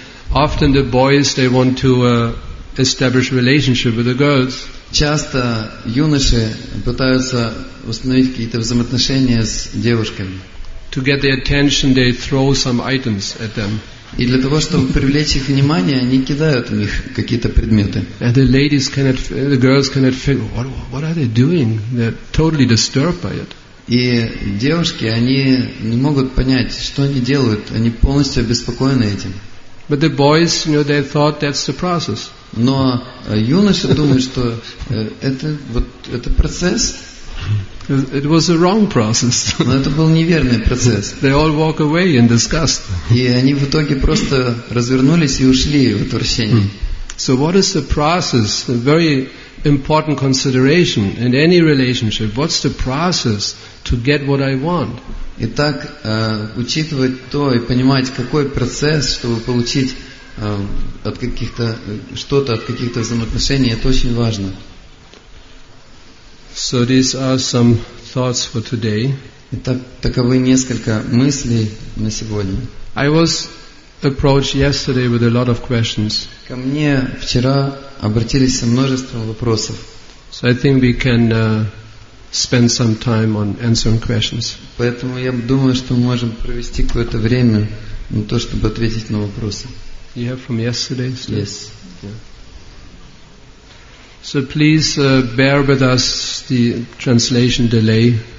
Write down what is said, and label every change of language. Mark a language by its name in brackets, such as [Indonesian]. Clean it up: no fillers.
[English] Often the boys, they want to establish relationship with the girls. [Russian] Часто юноши пытаются установить какие-то взаимоотношения с девушками. [English] To get their attention, they throw some items at them. [Russian] И для того, чтобы привлечь их внимание, они кидают в них какие-то предметы. [English] And the ladies cannot, the girls cannot figure what are they doing? They're totally disturbed by it. [Russian] И девушки, они не могут понять, что они делают. Они полностью обеспокоены этим. [English] But the boys, you know, they thought that's the process. [Russian] Но юноши думают, что это вот это процесс. [English] It was a wrong process. [Russian] Но это был неверный процесс. [English] They all walk away in disgust. [Russian] И они в итоге просто развернулись и ушли в отвращении. [English] So what is the process? A very important consideration in any relationship. What's the process to get what I want? [Russian] Итак, учитывать то и понимать, какой процесс, чтобы получить от каких-то что-то, от каких-то взаимоотношений, это очень важно. [English] So these are some thoughts for today. [Russian] Итак, таковы несколько мыслей на сегодня. [English] I was approached yesterday with a lot of questions. [Russian] Ко мне вчера обратились со множеством вопросов. [English] So I think we can spend some time on answering questions. [Russian] Поэтому я думаю, что мы можем провести какое-то время на то, чтобы ответить на вопросы. [English] You have from yesterday? Sir? Yes. So please bear with us the translation delay.